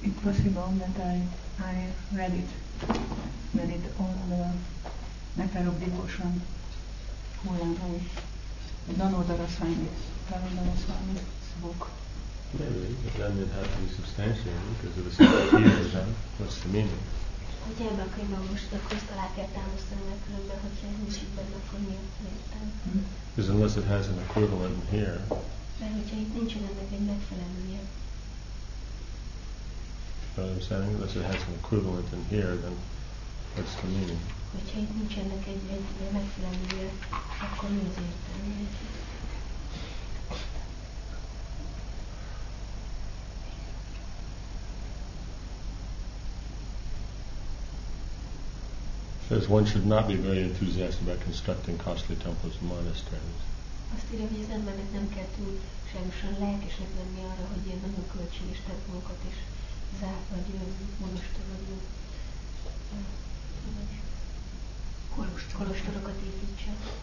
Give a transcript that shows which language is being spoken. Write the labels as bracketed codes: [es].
[en] It possible that I read it, that it all the nectar of devotion, who am I? Dhanodara Swami's book. Maybe, but then it has to be substantiated, because if it's not here, then what's the meaning? [hu] Hogyha ebben a könyvben most, akkor ezt alá kell támasztani, mert különben, hogyha ez nincs itt benne, akkor mi értem? [en] Because unless it has an equivalent here. [hu] Mert hogyha itt nincsen ennek egy megfelelője. [en] What I'm saying, unless it has an equivalent in here, then what's the meaning? [hu] Hogyha itt nincsen ennek egy megfelelője, akkor mi az értem? [en] Says one should not be very enthusiastic about constructing costly temples and monasteries. [hu] Azt írja, hogy az embernek nem kell túl semmisen lelkesnek lenni arra, hogy ilyen nagyon költséges templomokat is zárt vagy monostorokat kolostorokat építsen.